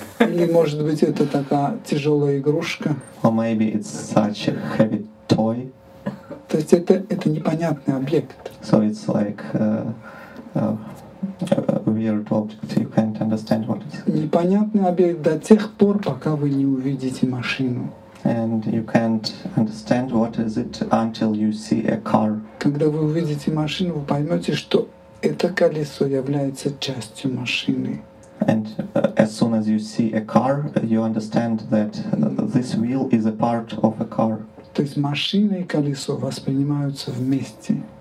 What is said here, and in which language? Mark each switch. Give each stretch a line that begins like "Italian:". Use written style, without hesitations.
Russian: Или, может быть, это такая тяжелая игрушка.
English: Or maybe it's such a heavy toy.
Russian: То есть это непонятный объект.
English: So it's like a weird object. You can't understand what it is.
Russian: Непонятный объект до тех пор, пока вы не увидите машину.
English: And you can't understand what is it until you see a car.
Russian: Когда вы увидите машину, вы поймете, что это колесо является частью машины.
English: And as soon as you see a car, you understand that this wheel is a part of a car.
Russian: То есть машина и колесо воспринимаются вместе.